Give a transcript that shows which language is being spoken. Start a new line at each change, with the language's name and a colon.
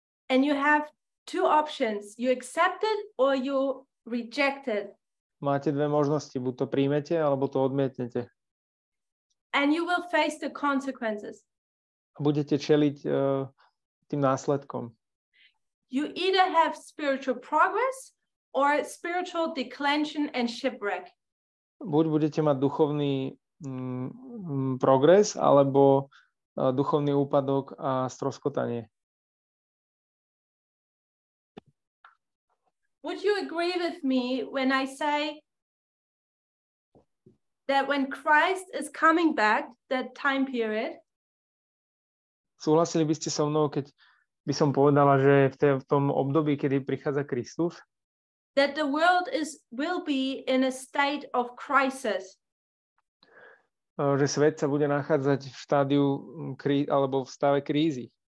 English: And you have two options. You accept it or you rejected.
Slovak: Máte dve možnosti, buď to príjmete, alebo to odmietnete.
English: And you will face the consequences.
Slovak: A budete čeliť tým následkom.
English: You either have spiritual progress or spiritual declension and shipwreck.
Slovak: Buď budete mať duchovný progres, alebo duchovný úpadok a stroskotanie.
English: Would you agree with me when I say that when Christ is coming back, that time period?
Slovak: Súhlasili by ste so mnou, keď by som povedala, že v tom období, kedy prichádza Kristus?
English: That the world will be in a state of crisis.
Slovak: Že svet sa bude nachádzať v štádiu alebo v stave krízy.